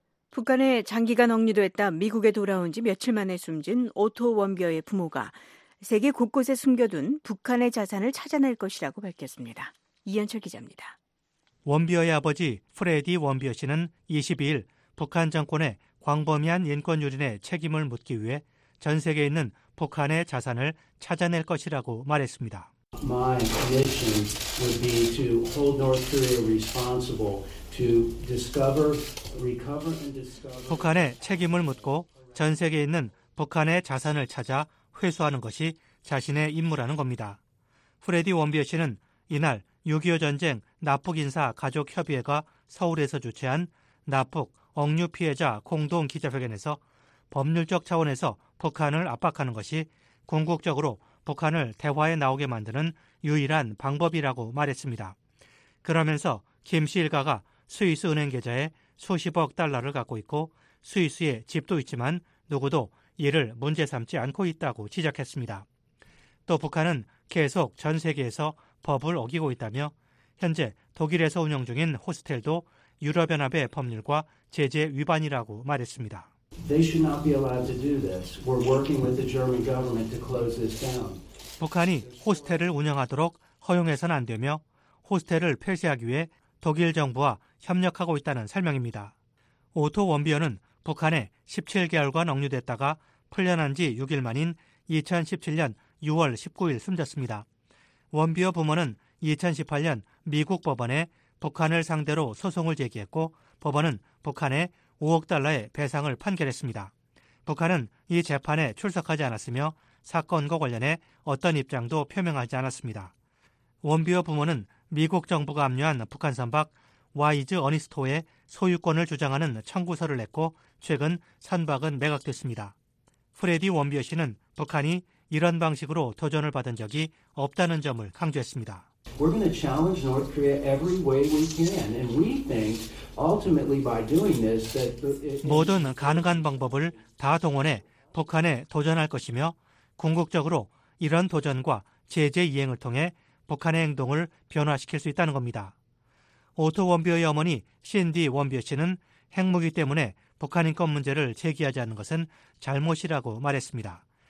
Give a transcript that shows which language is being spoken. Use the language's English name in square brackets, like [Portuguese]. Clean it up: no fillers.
[Korean] 북한에 장기간 억류됐다 미국에 돌아온 지 며칠 만에 숨진 오토 원비어의 부모가 세계 곳곳에 숨겨둔 북한의 자산을 찾아낼 것이라고 밝혔습니다. 이현철 기자입니다. 원비어의 아버지 프레디 원비어 씨는 22일 북한 정권의 광범위한 인권 유린의 책임을 묻기 위해 전 세계에 있는 북한의 자산을 찾아낼 것이라고 말했습니다. [English] My mission would be to hold North Korea responsible to discover, recover and discover. [Korean] 북한의 책임을 묻고 전 세계에 있는 북한의 자산을 찾아 회수하는 것이 자신의 임무라는 겁니다. 프레디 원비어 씨는 이날 6.25 전쟁 납북인사 가족협의회가 서울에서 주최한 납북 억류 피해자 공동 기자회견에서 법률적 차원에서 북한을 압박하는 것이 궁극적으로 북한을 대화에 나오게 만드는 유일한 방법이라고 말했습니다. 그러면서 김 씨 일가가 스위스 은행 계좌에 수십억 달러를 갖고 있고 스위스에 집도 있지만 누구도 이를 문제 삼지 않고 있다고 지적했습니다. 또 북한은 계속 전 세계에서 법을 어기고 있다며 현재 독일에서 운영 중인 호스텔도 유럽연합의 법률과 제재 위반이라고 말했습니다. [English] They should not be allowed to do this. We're working with the German government to close this down. [Korean] 북한이 호스텔을 운영하도록 허용해서는 안 되며 호스텔을 폐쇄하기 위해 독일 정부와 협력하고 있다는 설명입니다. 오토 원비어는 북한에 17개월간 억류됐다가 풀려난 지 6일 만인 2017년 6월 19일 숨졌습니다. 원비어 부모는 2018년 미국 법원에 북한을 상대로 소송을 제기했고 법원은 북한에 5억 달러의 배상을 판결했습니다. 북한은 이 재판에 출석하지 않았으며 사건과 관련해 어떤 입장도 표명하지 않았습니다. 원비어 부모는 미국 정부가 압류한 북한 선박 와이즈 어니스토의 소유권을 주장하는 청구서를 냈고 최근 선박은 매각됐습니다. 프레디 원비어 씨는 북한이 이런 방식으로 도전을 받은 적이 없다는 점을 강조했습니다. [English] We're going to challenge North Korea every way we can, and we think ultimately by doing this that [Korean] 모든 가능한 방법을 다 동원해 북한에 도전할 것이며 궁극적으로 이런 도전과 제재 이행을 통해 북한의 행동을 변화시킬 수 있다는 겁니다. 오토 원비어의 어머니 신디 원비어 씨는 핵무기 때문에 북한 인권 문제를 제기하지 않는 것은 잘못이라고 말했습니다.